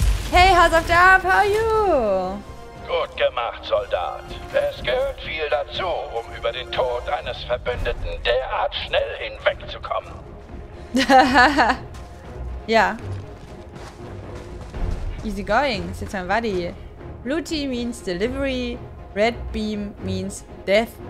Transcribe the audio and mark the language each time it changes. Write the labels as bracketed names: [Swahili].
[English] Hey, House of Dab, how are you? [German] Gut gemacht, Soldat. Es gehört viel dazu, um über den Tod eines Verbündeten derart schnell hinwegzukommen. Ja. [English] Easy going, [German] ist jetzt mein Buddy. [English] Blue Team means delivery, red beam means death.